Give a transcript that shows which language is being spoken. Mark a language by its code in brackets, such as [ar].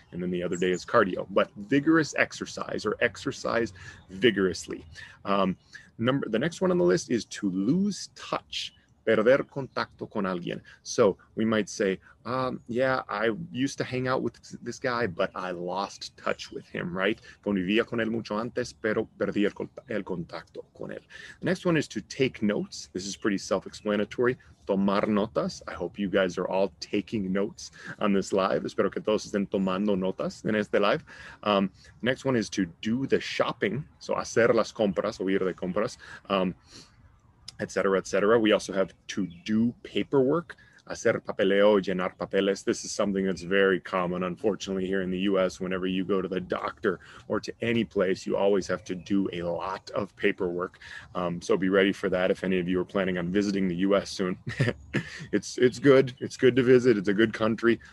[en] And then the other day is cardio, but vigorous exercise or exercise vigorously. The next one on the list is to lose touch, perder contacto con alguien. So we might say, I used to hang out with this guy, but I lost touch with him, right? [es] Convivía con él mucho antes, pero perdí el contacto con él. [en] The next one is to take notes. This is pretty self-explanatory. Tomar notas. I hope you guys are all taking notes on this live. [es] Espero que todos estén tomando notas en este live. Next one is to do the shopping. So hacer las compras o ir de compras, et cetera, et cetera. [en] We also have to do paperwork. Hacer papeleo, llenar papeles. This is something that's very common, unfortunately, here in the U.S. Whenever you go to the doctor or to any place, you always have to do a lot of paperwork. So be ready for that if any of you are planning on visiting the U.S. soon. It's good. It's good to visit. It's a good country.